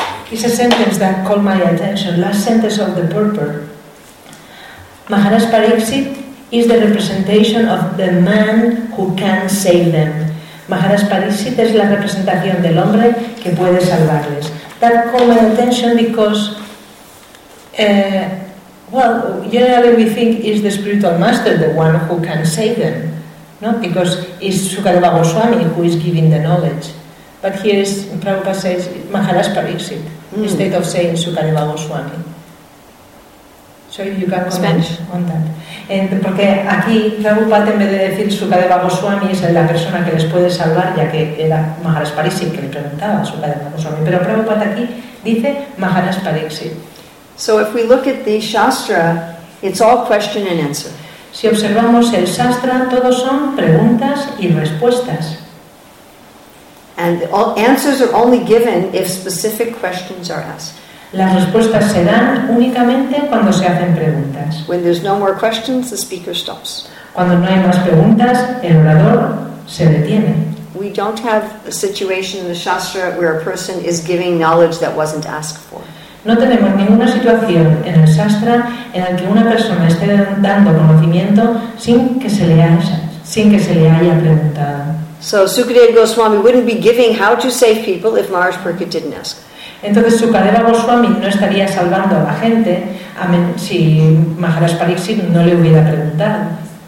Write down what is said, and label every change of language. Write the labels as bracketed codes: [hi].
[en] It's a sentence that called my attention. Last sentence of the purport. Maharaj Pariksit is the representation of the man who can save them. [es] Maharaj Pariksit es la representación del hombre que puede salvarles. [en] That called my attention because, well, generally we think is the spiritual master the one who can save them, no? Because it's Sukadeva Goswami who is giving the knowledge. But here is Prabhupada says Maharaj Pariksit, instead of saying Sukadeva Goswami. So you can comment on that. [es] And porque aquí Prabhupada, en vez de decir Sukadeva Goswami, es la persona que les puede salvar, ya que era Maharaj Pariksit que le preguntaba Sukadeva Goswami. Pero Prabhupada aquí dice Maharaj Pariksit. [en] So if we look at the shastra, it's all question and answer. [es] Si observamos el shastra, todos son preguntas y respuestas. [en] And all answers are only given if specific questions are asked. [es] Las respuestas se dan únicamente cuando se hacen preguntas. [en] When there's no more questions, the speaker stops. [es] Cuando no hay más preguntas, el orador se detiene. [en] We don't have a situation in the shastra where a person is giving knowledge that wasn't asked for. [es] No tenemos ninguna situación en el Shastra en la que una persona esté dando conocimiento sin que se le haya preguntado. [en] So Sukadeva Goswami wouldn't be giving how to save people if Maharaj Pariksit didn't ask. [es] Entonces Sukadeva Goswami no estaría salvando a la gente si Maharaj Pariksit no le hubiera preguntado.